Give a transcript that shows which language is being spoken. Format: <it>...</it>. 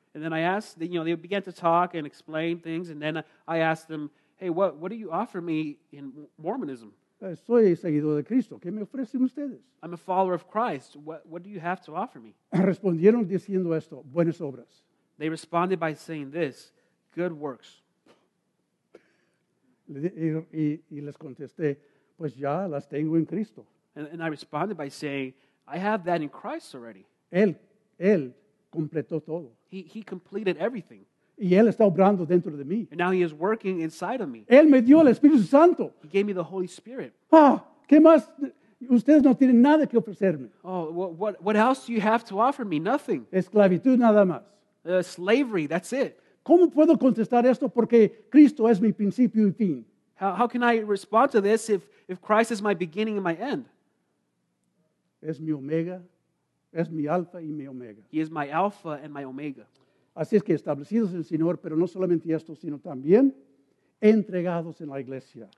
<en>And then I asked, you know, they began to talk and explain things, and then I asked them, hey, what do you offer me in Mormonism?</en> <es>Soy seguidor de Cristo. ¿Qué me ofrecen ustedes?</es> <en>I'm a follower of Christ. What do you have to offer me?</en> <es>Respondieron diciendo esto, buenas obras.</es> <en>They responded by saying this, good works.</en> <es>Y les contesté, pues ya las tengo en Cristo.</es> <en>And I responded by saying, I have that in Christ already.</en> <es>Él completó todo.</es> <en>He completed everything.</en> <es>Y él está obrando dentro de mí.</es> <en>And now he is working inside of me.</en> <es>Él me dio el Espíritu Santo.</es> <en>He gave me the Holy Spirit.</en> <es>Ah, ¿qué más? Ustedes no tienen nada que ofrecerme.</es> <en>Oh, what else do you have to offer me? Nothing.</en> <es>Esclavitud nada más.</es> <en>Slavery, that's it.</en> <es>¿Cómo puedo contestar esto? Porque Cristo es mi principio y fin.</es> <en>How can I respond to this if Christ is my beginning and my end?</en> <es>Es mi omega. Es mi alfa y mi omega.</es> <en>He is my alpha and my omega.</en> <es>Así es que establecidos en el Señor, pero no solamente esto, sino también entregados en la iglesia.</es>